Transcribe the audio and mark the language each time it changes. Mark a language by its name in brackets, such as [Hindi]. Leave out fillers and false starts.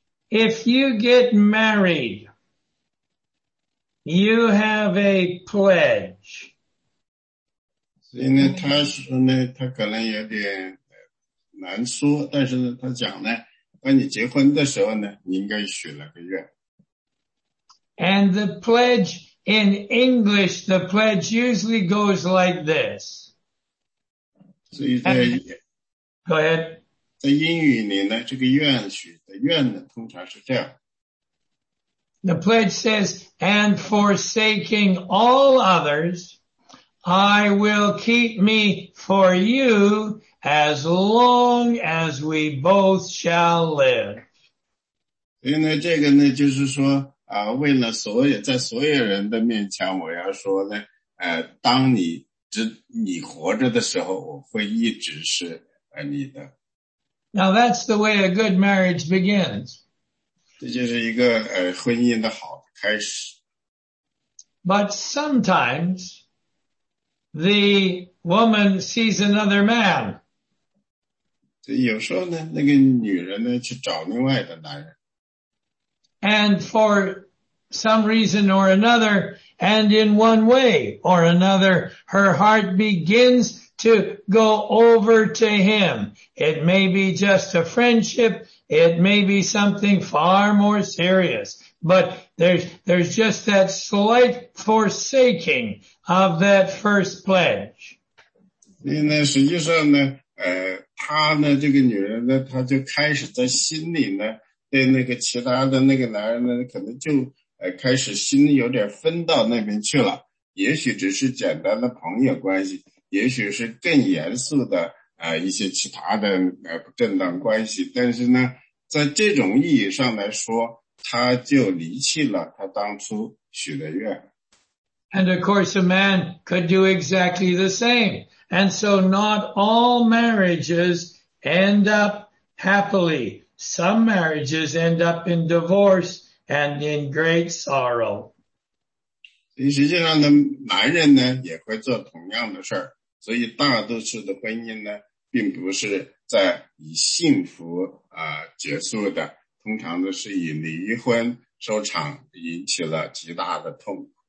[English] If you get married, you have a pledge. [Chinese] 所以呢，他说呢，他可能有点难说，但是呢，他讲呢，当你结婚的时候呢，你应该许了个愿。 [English] And the pledge in English, the pledge usually goes like this. [Chinese] 所以在 [English] Go ahead. [Chinese] 在英语里呢，这个愿许的愿呢，通常是这样。 [English] The pledge says, "And forsaking all others." I will keep me for you as long as we both shall live. [Chinese] 因为这个呢就是说啊，为了所有在所有人的面前我要说呢，当你活着的时候我会一直是你的。 [English] Now that's the way a good marriage begins. [Chinese] 这就是一个婚姻的好的开始。 [English] But sometimes,The woman sees another man. [Chinese] 有时候呢，那个女人呢，去找另外的男人。 [English] And for some reason or another, and in one way or another, her heart begins to go over to him. It may be just a friendship, it may be something far more serious, but there's just that slight forsaking. Of that first pledge. [Chinese] 因为呢实际上呢她呢这个女人呢她就开始在心里呢对那个其他的那个男人呢可能就开始心有点分到那边去了，也许只是简单的朋友关系，也许是更严肃的一些其他的正当关系，但是呢在这种意义上来说，他就离弃了他当初许的愿。 [English] And of course a man could do exactly the same. And so not all marriages end up happily. Some marriages end up in divorce and in great sorrow. [Chinese] 实际上呢男人呢也会做同样的事儿，所以大多数的婚姻呢并不是在以幸福结束的，通常都是以离婚收场，引起了极大的痛苦。